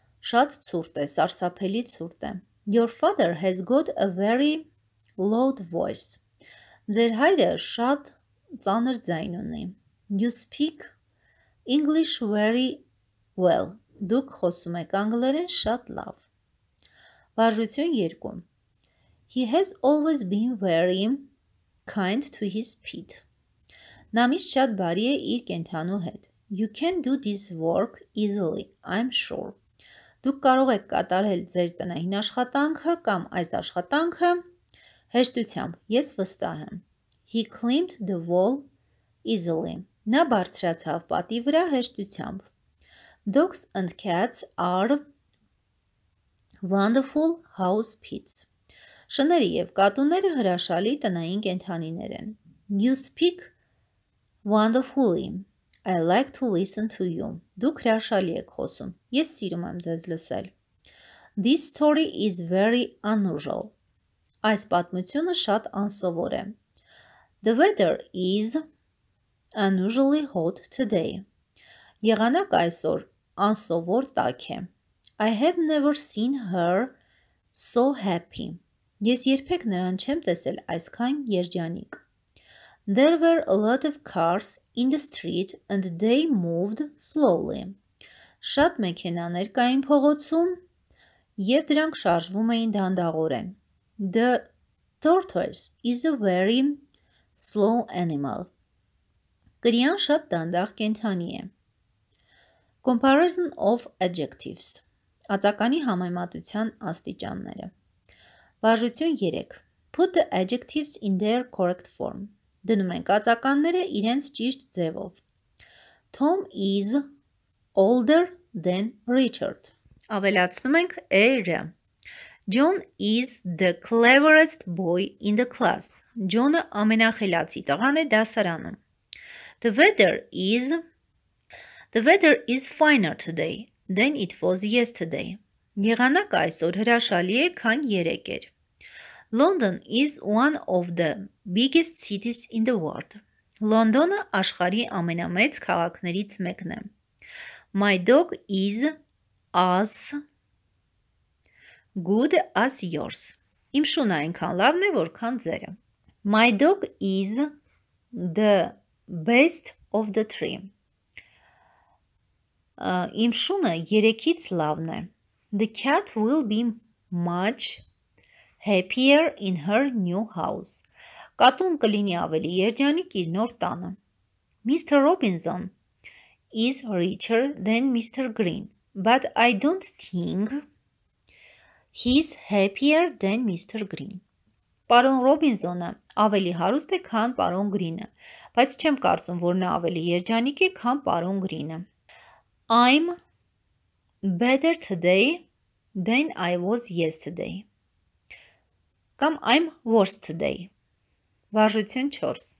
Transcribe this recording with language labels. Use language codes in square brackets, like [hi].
[hy] Շատ ցուրտ է, սարսափելի ցուրտ է. [en] Your father has got a very loud voice. [hy] Ձեր հայրը շատ ծանր ձայն ունի. [en] You speak English very well. [hy] Դուք խոսում եք անգլերեն շատ լավ. Բարժություն 2. [en] He has always been very kind to his pet. [hy] Նա միշտ շատ բարի է իր կենդանու հետ. [en] You can do this work easily, I'm sure. [hy] Դուք կարող եք կատարել ձեր տնային աշխատանքը կամ այս աշխատանքը հեշտությամբ, ես վստահ եմ. [en] He climbed the wall easily. [hy] Նա բարձրացավ պատի վրա հեշտությամբ. [en] Dogs and cats are wonderful house pets. [hy] Շները եւ կատուները հրաշալի տնային կենդանիներ են. [en] You speak wonderfully. I like to listen to you. [hy] Դուք հրաշալի եք խոսում. Ես սիրում եմ ձեզ լսել. [en] This story is very unusual. [hy] Այս պատմությունը շատ անսովոր է. [en] The weather is unusually hot today. [hy] Եղանակ այսօր անսովոր տաք է. [en] I have never seen her so happy. [hy] Ես երբեք նրան չեմ տեսել այսքան երջանիկ. [en] There were a lot of cars in the street and they moved slowly. [hy] Շատ մեքենաներ կային փողոցում եւ դրանք շարժվում էին դանդաղորեն. [en] The tortoise is a very slow animal. [hy] Կրիան շատ դանդաղ կենդանի է. [en] Comparison of adjectives. [hy] Ածականի համեմատության աստիճանները. Բաժություն 3. [en] Put the adjectives in their correct form. [hy] Դնում ենք ածականները իրենց ճիշտ ձևով. [en] Tom is older than Richard. [hy] Ավելացնում ենք «-ը»-ը. [en] John is the cleverest boy in the class. [hy] John-ը ամենախելացի տղան է դասարանում. [en] The weather is finer today than it was yesterday. [hy] Եղանակը այսօր հրաշալի է, քան երեկ էր. [en] London is one of the biggest cities in the world. [hy] London-ը աշխարհի ամենամեծ քաղաքներից մեկն է. [en] My dog is as good as yours. [hy] Իմ շունը այնքան լավն է, որքան ձերը. [en] My dog is the best of the three. [hy] Իմ շունը երեքից լավն է. [en] The cat will be much happier in her new house. [hy] Կատուն կլինի ավելի երջանիկ իր նոր տանը. [en] Mr. Robinson is richer than Mr. Green, but I don't think he's happier than Mr. Green. [hy] Պարոն Ռոբինզոնը ավելի հարուստ է, քան պարոն Գրինը, բայց չեմ կարծում, որ նա ավելի երջանիկ է, քան պարոն Գրինը. [en] I'm better today than I was yesterday. Կամ I'm worse today. [hy] Բաժություն 4.